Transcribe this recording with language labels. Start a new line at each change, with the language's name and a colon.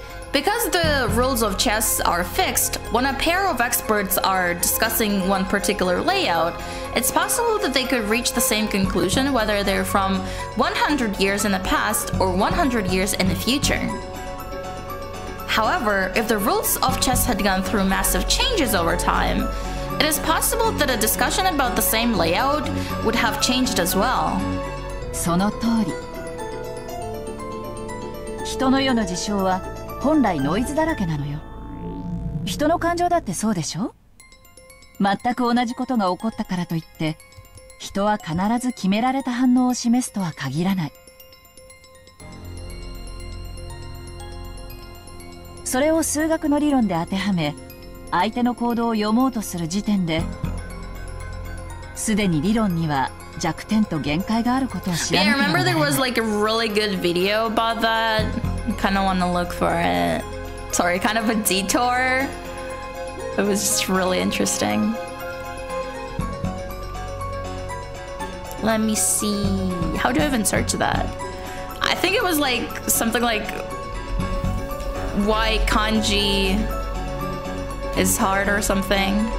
English: Because the rules of chess are fixed, when a pair of experts are discussing one particular layout, it's possible that they could reach the same conclusion whether they're from 100 years in the past or 100 years in the future. However, if the rules of chess had gone through massive changes over time, it is possible that a discussion about the same layout would have changed as well.
Japanese: その通り。人の世の事象は 本来ノイズだらけなのよ。人の感情だってそうでしょ?全く同じことが起こったからといって、人は必ず決められた反応を示すとは限らない。それを数学の理論で当てはめ、相手の行動を読もうとする時点で、すでに理論には弱点と限界があることを知らない。
English: Yeah, I remember there was like a really good video about that. Kind of want to look for it. Sorry, kind of a detour. It was just really interesting. Let me see. How do I even search that? I think it was like something like why kanji is hard or something.